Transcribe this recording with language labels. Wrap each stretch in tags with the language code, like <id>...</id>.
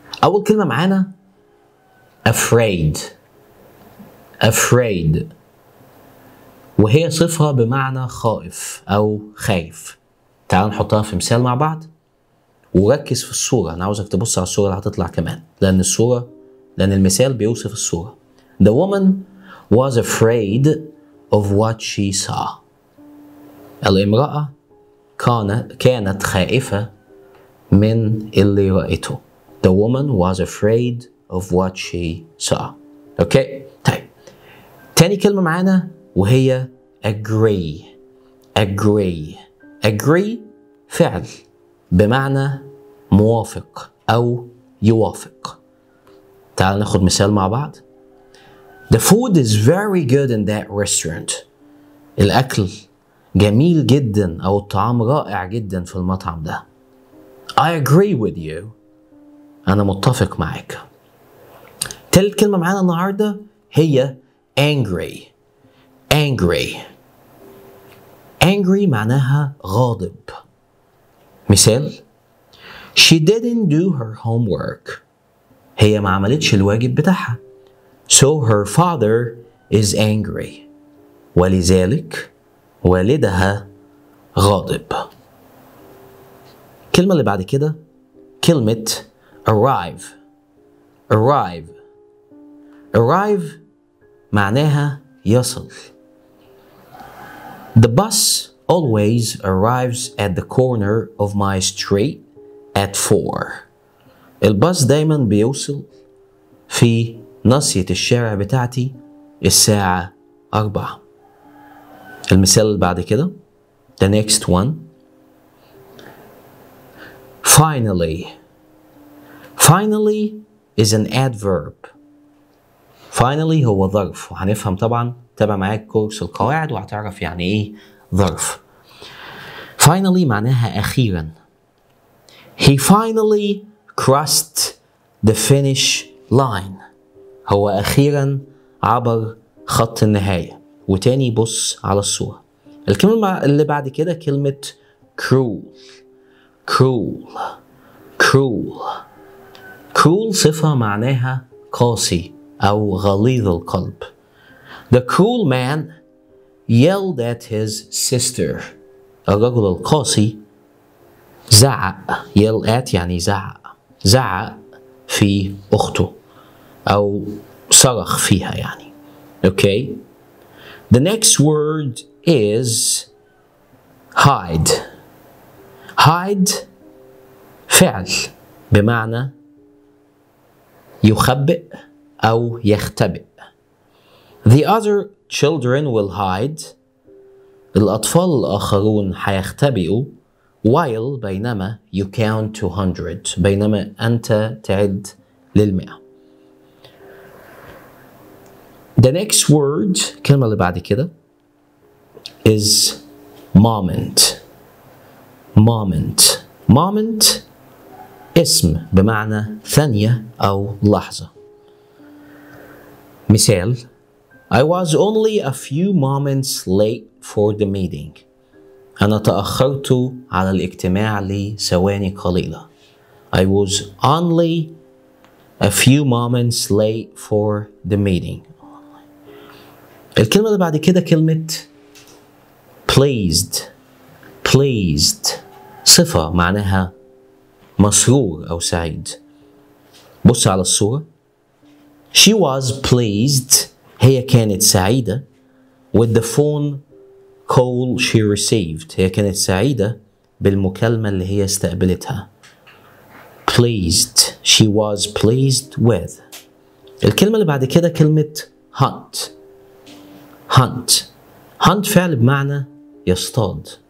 <ar>اول كلمه معانا afraid. afraid وهي صفه بمعنى خائف او خايف. تعال نحطها في مثال مع بعض وركز في الصوره، انا عاوزك تبص على الصوره اللي هتطلع كمان، لان الصوره لان المثال بيوصف الصوره.</ar> <en>The woman was afraid of what she saw.</en> <ar>الامرأة كانت خائفة من اللي رأيته.</ar> <en>The woman was afraid of what she saw. Okay.</en> <ar>طيب. تاني كلمة معانا وهي agree.</ar> <en>agree.</en> <ar>agree فعل بمعنى موافق أو يوافق. تعال ناخد مثال مع بعض.</ar> <en>The food is very good in that restaurant.</en> <ar>الأكل جميل جدا أو الطعام رائع جدا في المطعم ده.</ar> <en>I agree with you.</en> <ar>أنا متفق معك. تالت كلمة معانا النهاردة هي angry.</ar> <en>angry.</en> <ar>angry معناها غاضب. مثال:</ar> <en>She didn't do her homework.</en> <ar>هي ما عملتش الواجب بتاعها.</ar> <en>So her father is angry.</en> <ar>ولذلك والدها غاضب. الكلمة اللي بعد كده كلمة arrive.</ar> <en>arrive.</en> <ar>arrive معناها يصل.</ar> <en>The bus always arrives at the corner of my street at 4.</en> <ar>الباص دايما بيوصل في ناصية الشارع بتاعتي الساعة 4. المثال بعد كده</ar> <en>The next one. Finally. Finally is an adverb.</en> <ar>Finally هو ظرف وهنفهم طبعا، تابع معاك كورس القواعد وهتعرف يعني ايه ظرف. Finally معناها أخيرا.</ar> <en>He finally crossed the finish line.</en> <ar>هو أخيرا عبر خط النهاية. وتاني بص على الصورة. الكلمة اللي بعد كده كلمة cruel.</ar> <en>cruel. cruel.</en> <ar>cruel صفة معناها قاسي أو غليظ القلب.</ar> <en>The cruel man yelled at his sister.</en> <ar>الرجل القاسي زعق. yell at يعني زعق. زعق في أخته أو صرخ فيها يعني.</ar> <en>Okay. The next word is hide.</en> <ar>hide فعل بمعنى يخبئ أو يختبئ.</ar> <en>The other children will hide.</en> <ar>الأطفال الآخرون هيختبئوا</ar> <en>while</en> <ar>بينما</ar> <en>you count to 100</en> <ar>بينما أنت تعد للمئة.</ar> <en>The next word</en> <ar>كلمة اللي بعد كده</ar> <en>is moment. Moment.</en> <ar>Moment اسم بمعنى ثانية أو لحظة. مثال:</ar> <en>I was only a few moments late for the meeting.</en> <ar>أنا تأخرت على الاجتماع لثواني قليلة.</ar> <en>I was only a few moments late for the meeting.</en> <ar>الكلمة اللي بعد كده كلمة pleased. Pleased صفة معناها مسرور أو سعيد. بص على الصورة.</ar> <en>She was pleased.</en> <ar>هي كانت سعيدة</ar> <en>with the phone call she received.</en> <ar>هي كانت سعيدة بالمكالمة اللي هي استقبلتها.</ar> <en>Pleased. She was pleased with.</en> <ar>الكلمة اللي بعد كده كلمة hunt.</ar> <en>Hunt.</en> <ar>Hunt فعل بمعنى يصطاد.</ar>